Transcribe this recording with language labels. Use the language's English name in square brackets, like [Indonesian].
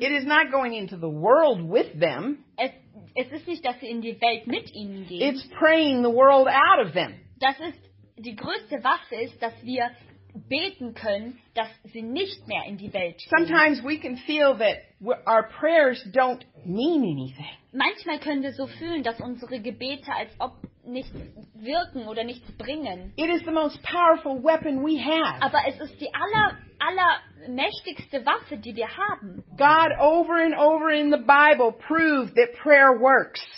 [English] It is not going into the world with them. [German] Es ist nicht, dass sie in die Welt mit ihnen gehen. [English] It's praying the world out of them. [German] Das ist die größte Waffe ist, dass wir beten können, dass sie nicht mehr in die Welt gehen. [English] Sometimes we can feel that our prayers don't mean anything. [German] Manchmal können wir so fühlen, dass unsere Gebete als ob nichts wirken oder nichts bringen. [English] It is the most powerful weapon we have. [German] Aber es ist die allermächtigste Waffe, die wir haben. [English] God over and over in the Bible proved that prayer works.